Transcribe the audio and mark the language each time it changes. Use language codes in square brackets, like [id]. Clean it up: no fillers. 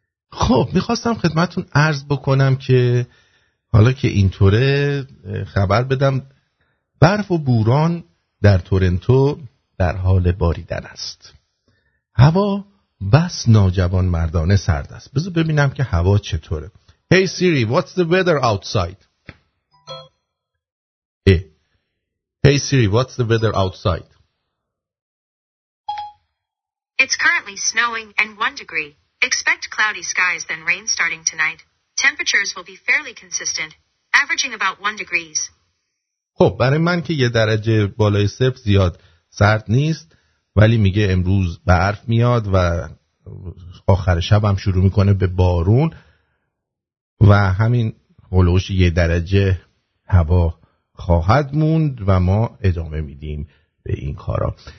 [fa] خب میخواستم خدمتون عرض بکنم که حالا که اینطوره خبر بدم برف و بوران در تورنتو در حال باریدن است. هوا بس ناجوان مردانه سرد است. بذار ببینم که هوا چطوره. [en] Hey Siri, what's the weather outside? Hey Siri, what's the weather outside? It's currently snowing and 1 degree. Expect cloudy skies then rain starting tonight. Temperatures will be fairly consistent, averaging about 1 degrees. [fa] خب برای من که یه درجه بالای صفر زیاد سرد نیست ولی میگه امروز برف میاد و آخر شب هم شروع میکنه به بارون و همین هولوش یه درجه هوا خواهد موند و ما ادامه میدیم به این کارا.